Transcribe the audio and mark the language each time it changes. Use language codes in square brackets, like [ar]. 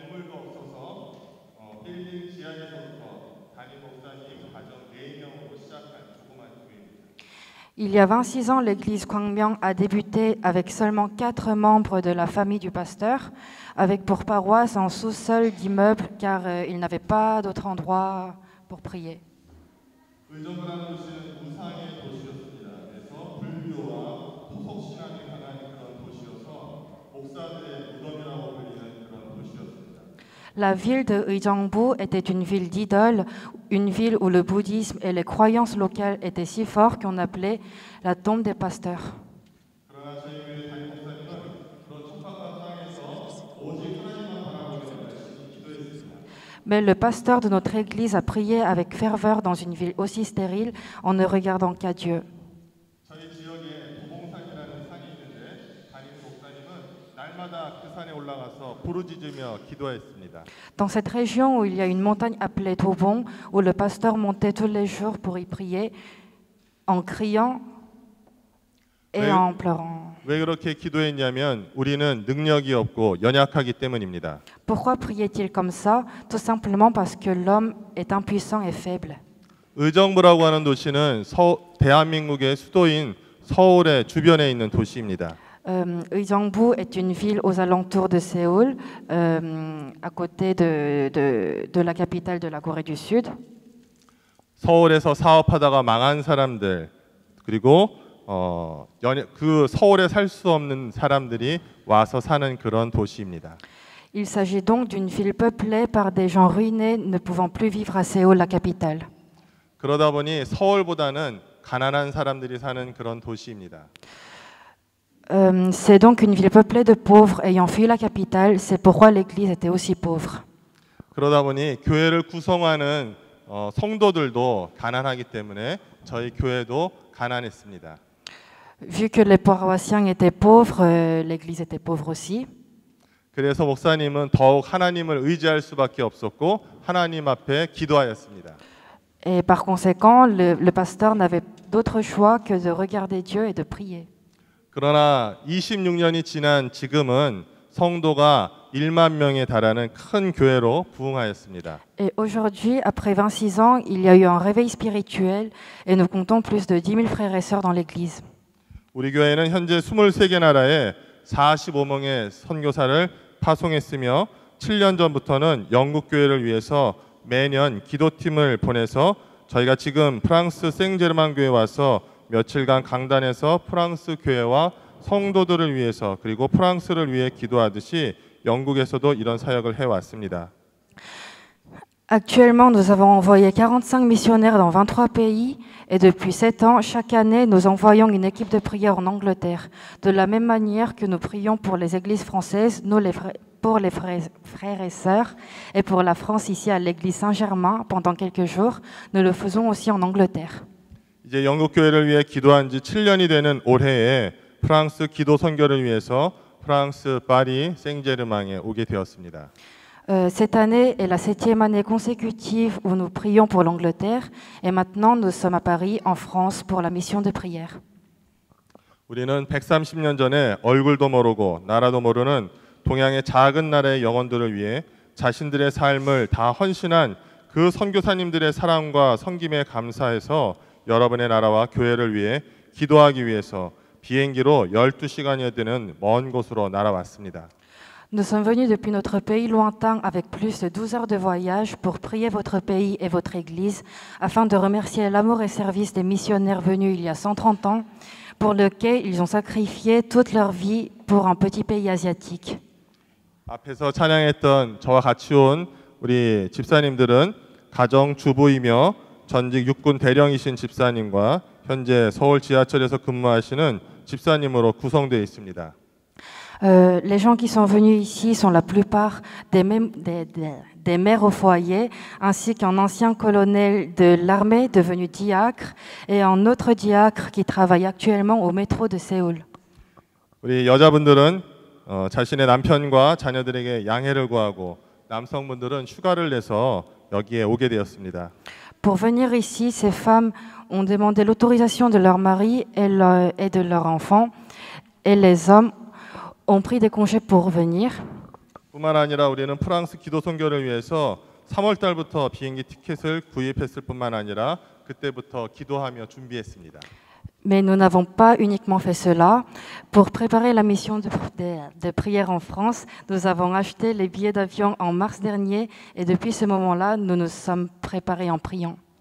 [ko] 사람들도 없어서 필리핀 지하에서부터 담임 목사님 가정 4명으로 시작한 조그만 교회입니다. [fr] Il y a 26 ans, l'église Gwangmyeong a débuté avec seulement 4 membres de la famille du pasteur, avec pour paroisse un sous-sol d'immeuble car il n'avait pas d'autre endroit pour prier. [ko] 의정부라는 도시는 우상의 도시였습니다. 그래서 불교와 토속신앙에 관한 그런 도시여서 목사들의 무덤이라고 불리는 그런 도시였습니다. [fr] La ville de Uijeongbu était une ville d'idoles, une ville où le bouddhisme et les croyances locales étaient si forts qu'on appelait la tombe des pasteurs. [ko] 그러나 저희 교회 담임 목사님은 그런 척박한 땅에서 오직 하나님만 바라보며 기도했습니다. [fr] Mais le pasteur de notre église a prié avec ferveur dans une ville aussi stérile en ne regardant qu'à Dieu. [ko] 저희 지역에 도봉산이라는 산이 있는데 담임 목사님은 날마다 그 산에 올라가서 부르짖으며 기도했습니다. [fr] Dans cette région où il y a une montagne appelée Dobong, où le pasteur montait tous les jours pour y prier en criant et [ko] 왜, [fr] en pleurant. [ko] 왜 그렇게 기도했냐면 우리는 능력이 없고 연약하기 때문입니다. [fr] Pourquoi priait-il comme ça? Tout simplement parce que l'homme est impuissant et faible. [ko] 의정부라고 하는 도시는 대한민국의 수도인 서울의 주변에 있는 도시입니다. [fr] Uijeongbu est une ville aux alentours de Séoul, à côté de la capitale de la Corée du Sud. [ko] 서울에서 사업하다가 망한 사람들 그리고 그 서울에 살 수 없는 사람들이 와서 사는 그런 도시입니다. [fr] Il s'agit donc d'une ville peuplée par des gens ruinés ne pouvant plus vivre à Séoul, la capitale. [ko] 그러다 보니 서울보다는 가난한 사람들이 사는 그런 도시입니다. [fr] C'est donc une ville peuplée de pauvres ayant fui la capitale. C'est pourquoi l'église était aussi pauvre. [ko] 그러다 보니 교회를 구성하는 성도들도 가난하기 때문에 저희 교회도 가난했습니다. [fr] Vu que les paroissiens étaient pauvres, l'église était pauvre aussi. [ko] 그래서 목사님은 더욱 하나님을 의지할 수밖에 없었고 하나님 앞에 기도하였습니다. [fr] Et par conséquent, le pasteur n'avait d'autre choix que de regarder Dieu et de prier. [ko] 그러나 26년이 지난 지금은 성도가 1만 명에 달하는 큰 교회로 부흥하였습니다. [fr] Et aujourd'hui, après 26 ans, il y a eu un réveil spirituel et nous comptons plus de 10,000 frères et sœurs dans l'église. [ko] 우리 교회는 현재 23개 나라에 45명의 선교사를 파송했으며 7년 전부터는 영국 교회를 위해서 매년 기도팀을 보내서 저희가 지금 프랑스 생제르만 교회에 와서 며칠간 강단에서 프랑스 교회와 성도들을 위해서 그리고 프랑스를 위해 기도하듯이 영국에서도 이런 사역을 해왔습니다. [fr] Actuellement, nous avons envoyé 45 missionnaires dans 23 pays et depuis 7 ans, chaque année, nous envoyons une équipe de prière en Angleterre. De la même manière que nous prions pour les églises françaises, nous les frères et sœurs et pour la France ici à l'église Saint-Germain pendant quelques jours, nous le faisons aussi en Angleterre. [ko] 이제 영국 교회를 위해 기도한 지 7년이 되는 올해에 프랑스 기도 선교를 위해서 프랑스 파리 생제르망에 오게 되었습니다. [fr] Cette année est la 7e année consécutive où nous prions pour l'Angleterre et maintenant nous sommes à Paris en France pour la mission de prière. [ko] 우리는 130년 전에 얼굴도 모르고 나라도 모르는 동양의 작은 나라의 영혼들을 위해 자신들의 삶을 다 헌신한 그 선교사님들의 사랑과 섬김에 감사해서 여러분의 나라와 교회를 위해 기도하기 위해서 비행기로 12시간여 되는 먼 곳으로 날아왔습니다. [fr] Nous sommes venus depuis notre pays lointain avec plus de 12 heures de voyage pour prier votre pays et votre église afin de remercier l'amour et service des missionnaires venus il y a 130 ans pour lequel ils ont sacrifié toute leur vie pour un petit pays asiatique. [ko] 앞에서 찬양했던 저와 같이 온 우리 집사님들은 가정 주부이며 전직 육군 대령이신 집사님과 현재 서울 지하철에서 근무하시는 집사님으로 구성되어 있습니다. [fr] Les gens qui sont venus ici sont la plupart des mères au foyer, ainsi qu'un ancien colonel de l'armée devenu diacre et un autre diacre qui travaille actuellement au métro de Séoul. [ko] 우리 여자분들은 자신의 남편과 자녀들에게 양해를 구하고 남성분들은 휴가를 내서 여기에 오게 되었습니다. [fr] Pour venir ici, ces femmes ont demandé l'autorisation de leur mari et de leur enfant, et les hommes ont pris des congés pour venir. [ko] 뿐만 아니라 우리는 프랑스 기도 선교를 위해서 3월 달부터 비행기 티켓을 구입했을 뿐만 아니라 그때부터 기도하며 준비했습니다. [fr] Mais nous n'avons pas uniquement fait cela. Pour préparer la mission de prière en France, nous avons acheté les billets d'avion en mars dernier et depuis ce moment-là, nous nous sommes préparés en priant.